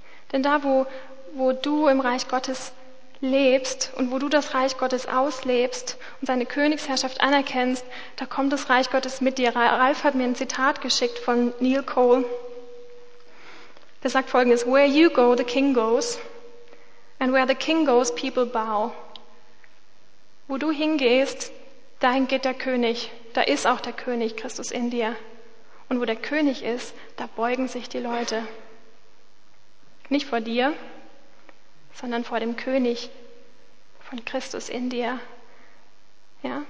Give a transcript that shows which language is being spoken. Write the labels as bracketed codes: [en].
[de] Denn da, wo du im Reich Gottes lebst und wo du das Reich Gottes auslebst und seine Königsherrschaft anerkennst, da kommt das Reich Gottes mit dir. Ralf hat mir ein Zitat geschickt von Neil Cole. Der sagt Folgendes: [en] Where you go, the king goes. And where the king goes, people bow. [de] Wo du hingehst, dahin geht der König. Da ist auch der König Christus in dir. Und wo der König ist, da beugen sich die Leute. Nicht vor dir, sondern vor dem König von Christus in dir. Ja?